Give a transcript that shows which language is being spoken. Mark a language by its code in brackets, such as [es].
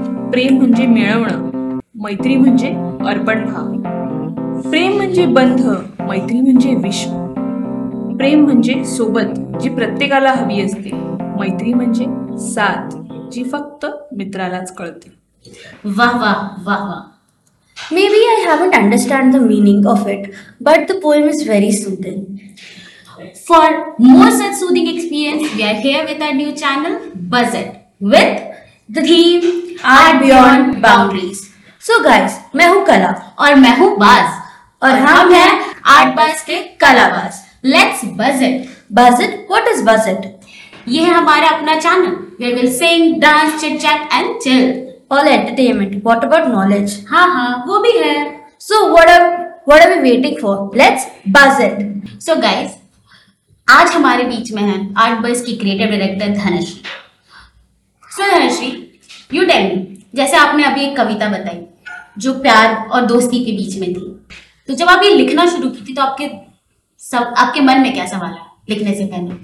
[mr] प्रेम म्हणजे मिळवणं, मैत्री म्हणजे अर्पण भाव. प्रेम म्हणजे बंध, मैत्री म्हणजे विश्व. प्रेम म्हणजे सोबत जी प्रत्येकाला हवी असते, मैत्री म्हणजे साथ जी फक्त मित्रालाच कळते. वा वा वा वा. [en] Maybe I haven't understand the meaning of it, but the poem is very soothing. For more such soothing experience, we are here with our new channel, Buzz It, with the theme, Art Beyond Boundaries. So guys, [hi] मैं हूँ कला और मैं हूँ बाज और हम हैं आर्ट बाज के कला बाज. [en] Let's buzz it. Buzz it. What is buzz it? [hi] ये है हमारा अपना channel. [en] We will sing, dance, chit chat and chill. All entertainment. What about knowledge? [hi] हाँ हाँ वो भी है. [en] So what are we waiting for? Let's buzz it. So guys, [hi] आज हमारे बीच में है आर्ट बाज की creative director Dhanashree. So Dhanashree, [en] you tell me, [hi] जैसे आपने अभी एक कविता बताई जो प्यार और दोस्ती के बीच में थी, तो जब आप ये लिखना शुरू की थी तो आपके सब आपके मन में क्या सवाल है लिखने से पहले?